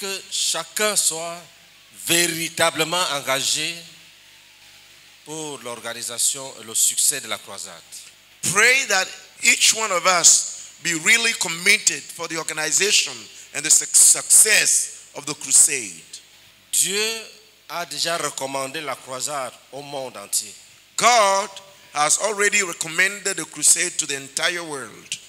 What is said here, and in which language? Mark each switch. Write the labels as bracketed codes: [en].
[fr] chacun soit véritablement engagé pour l'organisation et le succès de la croisade. [en] Pray that each one of us be really committed for the organization and the success of the crusade. [fr] Dieu a déjà recommandé la croisade au monde entier. [en] God has already recommended the crusade to the entire world.